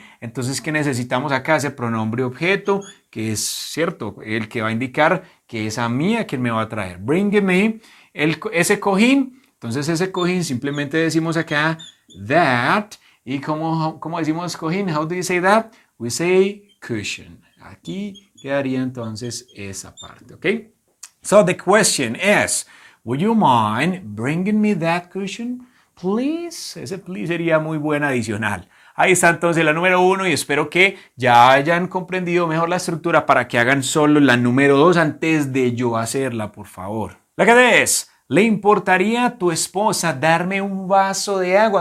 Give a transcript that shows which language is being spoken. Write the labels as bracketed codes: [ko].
[es] Entonces, ¿qué necesitamos acá? Ese pronombre objeto, que es cierto, el que va a indicar que es a mí a quien me va a traer. Bringeme. Ese cojín, entonces ese cojín simplemente decimos acá that, y como decimos cojín, [en] how do you say that? We say cushion. [es] Aquí quedaría entonces esa parte, ¿ok? [en] So the question is, would you mind bringing me that cushion, please? [es] Ese please sería muy buen adicional. Ahí está entonces la número 1 y espero que ya hayan comprendido mejor la estructura para que hagan solo la número 2 antes de yo hacerla, por favor. La que es, ¿le importaría a tu esposa darme un vaso de agua?